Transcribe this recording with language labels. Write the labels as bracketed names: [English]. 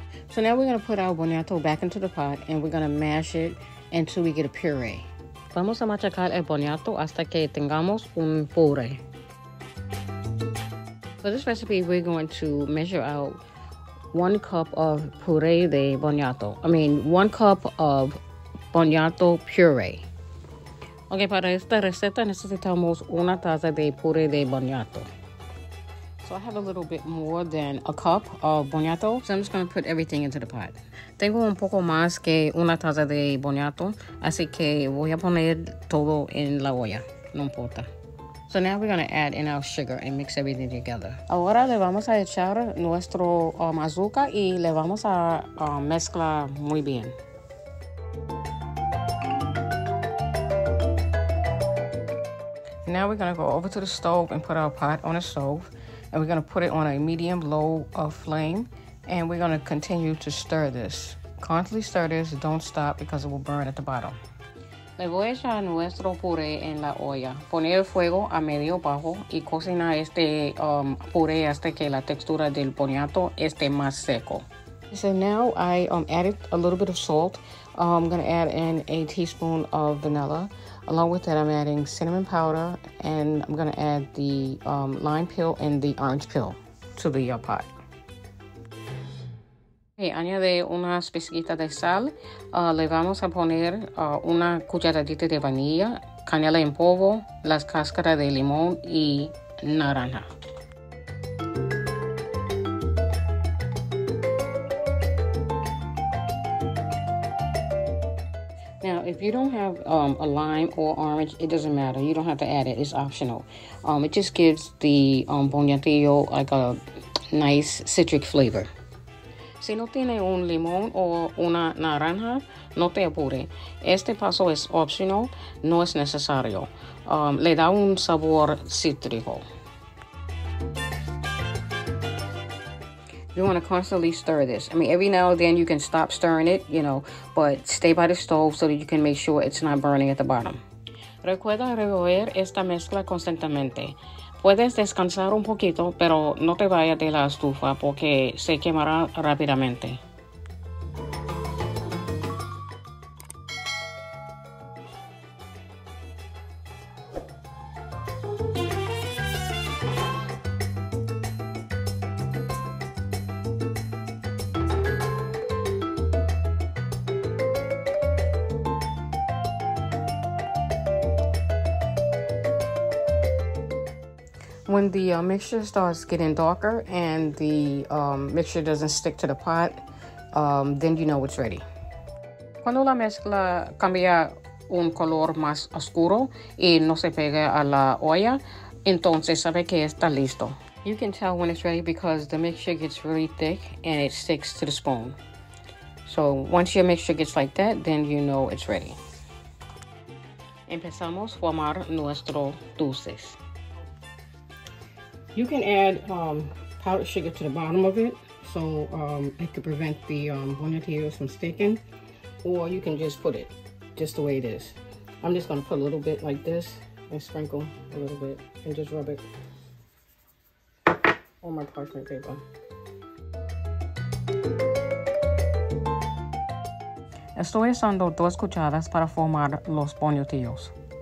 [English] So now we're going to put our boniato back into the pot, and we're going to mash it until we get a puree. [Spanish] Vamos a machacar el boniato hasta que tengamos un puré. [English] For this recipe, we're going to measure out 1 cup of [Spanish] puré de boniato. [English] 1 cup of boniato puree. [Spanish] Okay, para esta receta necesitamos una taza de puré de boniato. [English] So I have a little bit more than a cup of boniato, so I'm just going to put everything into the pot. [Spanish] Tengo un poco más que una taza de boniato, así que voy a poner todo en la olla, no importa. [English] So now we're going to add in our sugar and mix everything together. [Spanish] Ahora le vamos a echar nuestro azúcar y le vamos a mezclar muy bien. [English] Now we're going to go over to the stove and put our pot on the stove. And we're going to put it on a medium-low flame. And we're going to continue to stir this. Constantly stir this. Don't stop because it will burn at the bottom. [Spanish] Le voy a echar nuestro puré en la olla. Poner el fuego a medio-bajo y cocinar este puré hasta que la textura del boniato esté más seco. [English] So now I added a little bit of salt. I'm going to add in a teaspoon of vanilla. Along with that, I'm adding cinnamon powder, and I'm going to add the lime peel and the orange peel to the pot. [Spanish] Okay, añade unas pizquitas de sal. Le vamos a poner una cucharadita de vainilla, canela en polvo, las cáscaras de limón y naranja. [English] If you don't have a lime or orange, it doesn't matter. You don't have to add it. It's optional. It just gives the boniatillo like a nice citric flavor. [Spanish] Si no tiene un limón o una naranja, no te apure. Este paso es optional. No es necesario. Le da un sabor cítrico. [English] You want to constantly stir this. I mean, every now and then you can stop stirring it, you know, but stay by the stove so that you can make sure it's not burning at the bottom. [Spanish] Recuerda revolver esta mezcla constantemente. Puedes descansar un poquito, pero no te vayas de la estufa porque se quemará rápidamente. [English] When the mixture starts getting darker and the mixture doesn't stick to the pot, then you know it's ready. [Spanish] Cuando la mezcla cambia un color más oscuro y no se pega a la olla, entonces sabe que está listo. [English] You can tell when it's ready because the mixture gets really thick and it sticks to the spoon. So once your mixture gets like that, then you know it's ready. [Spanish] Empezamos a formar nuestro dulces. [English] You can add powdered sugar to the bottom of it, so it could prevent the boniatillos from sticking, or you can just put it just the way it is. I'm just gonna put a little bit like this and sprinkle a little bit and just rub it on my parchment paper. [Spanish] Estoy usando dos cucharadas para formar los boniatillos.